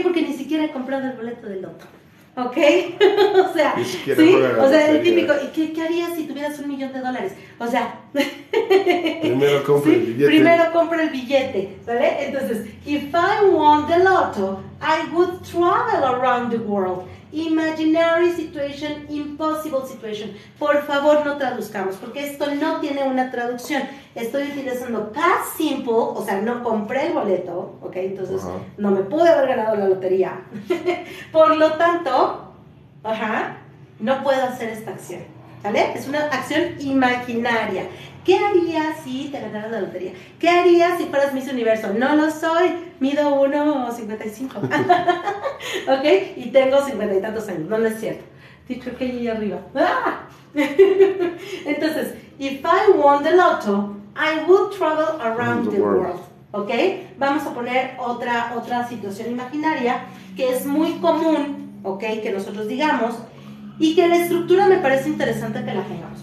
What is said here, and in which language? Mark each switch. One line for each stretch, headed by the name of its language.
Spanish: Porque ni siquiera he comprado el boleto del loto. ¿Ok? O sea, ¿sí? O sea, el típico, ¿y qué harías si tuvieras $1,000,000? O sea, primero compra ¿sí? el billete. Primero compra el billete, ¿sale? Entonces,
English: if I won the lotto, I would travel around the world. Imaginary situation, impossible situation.
Spanish: Por favor, no traduzcamos, porque esto no tiene una traducción. Estoy utilizando past simple, o sea, no compré el boleto, ¿ok? Entonces, no me pude haber ganado la lotería. Por lo tanto, no puedo hacer esta acción, ¿vale? Es una acción imaginaria. ¿Qué harías si te ganaras la lotería? ¿Qué harías si fueras Miss Universo? No lo soy, mido 1.55. ¿Ok? Y tengo 50 y tantos años, no es cierto. Dicho que ahí arriba. Entonces,
English: if I won the lotto, I would travel around the world. ¿Ok?
Spanish: Vamos a poner otra situación imaginaria que es muy común, ¿ok? Que nosotros digamos y que la estructura me parece interesante que la tengamos.